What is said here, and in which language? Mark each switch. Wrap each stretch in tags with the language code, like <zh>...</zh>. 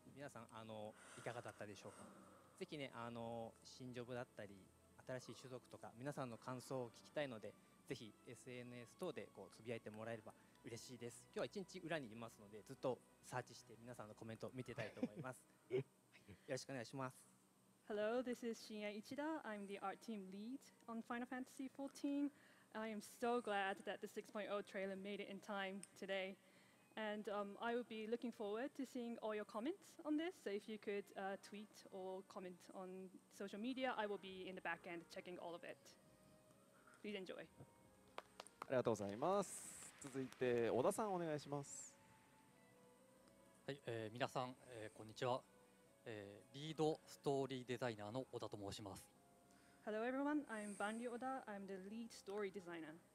<ja>皆さんいかがだったでしょうか。ぜひね新ジョブだったり新しい種族とか皆さんの感想を聞きたいのでぜひ SNS 等でこうつぶやいてもらえれば嬉しいです。今日は1日裏にいますのでずっとサーチして皆さんのコメントを見てたいと思います、はい、よろしくお願いします。</ja> <en>Hello, this is Shinya Ichida. I'm the art team lead on Final Fantasy XIV. I am so glad that the 6.0 trailer made it in time today. And I will be looking forward to seeing all your comments on this. So if you could tweet or comment on social media, I will be in the back end checking all of it. Please enjoy.</en> <ja>ありがとうございます。続いて小田さんお願いします。はい、皆さん、こんにちは。リードストーリーデザイナーの小田と申します。</ja> <en>Hello everyone, I'm Banryu Oda. I'm the lead story designer.</en>